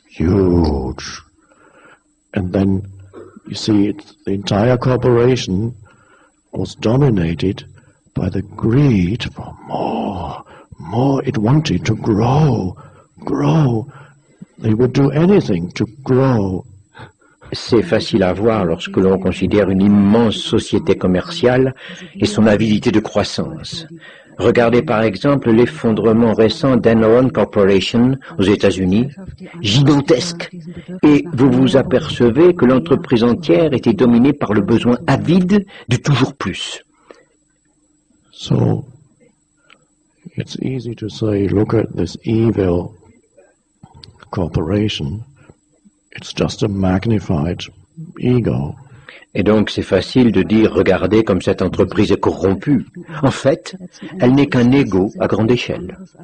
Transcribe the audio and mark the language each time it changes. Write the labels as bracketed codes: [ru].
[en] Huge. And then, you see, the entire corporation was dominated by the greed for more, more. It wanted to grow, grow. They would do anything to grow. [fr] C'est facile à voir lorsque l'on considère une immense société commerciale et son avidité de croissance. Regardez par exemple l'effondrement récent d'Enron Corporation aux États-Unis, gigantesque, et vous vous apercevez que l'entreprise entière était dominée par le besoin avide de toujours plus. [en] So, it's easy to say, look at this evil corporation. It's just a magnified ego. [fr] Et donc c'est facile de dire, regardez comme cette entreprise est corrompue. En fait, elle n'est qu'un ego à grande échelle.